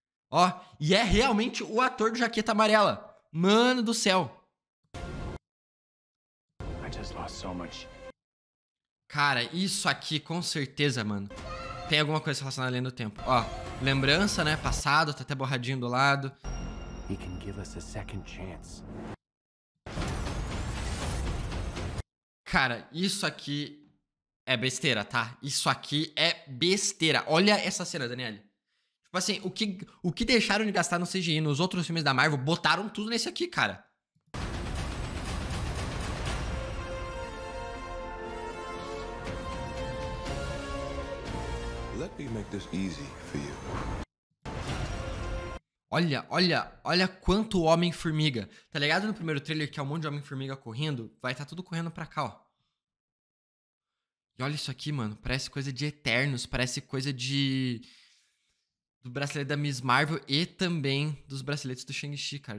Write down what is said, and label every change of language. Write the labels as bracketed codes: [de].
[pt] Ó, e é realmente o ator de jaqueta amarela. Mano do céu. [en] I just lost so much. [pt] Cara, isso aqui, com certeza, mano. Tem alguma coisa relacionada à linha do tempo. Ó, lembrança, né? Passado, tá até borradinho do lado. [en] He can give us a second chance. [pt] Cara, isso aqui é besteira, tá? Isso aqui é besteira. Olha essa cena, Daniele. Tipo assim, o que deixaram de gastar no CGI nos outros filmes da Marvel, botaram tudo nesse aqui, cara. [en] Let me make this easy for you. [pt] Olha quanto Homem-Formiga. Tá ligado no primeiro trailer que é um monte de Homem-Formiga correndo? Vai estar tudo correndo pra cá, ó. E olha isso aqui, mano. Parece coisa de Eternos. Parece coisa de... do bracelete da Miss Marvel e também dos braceletes do Shang-Chi, cara.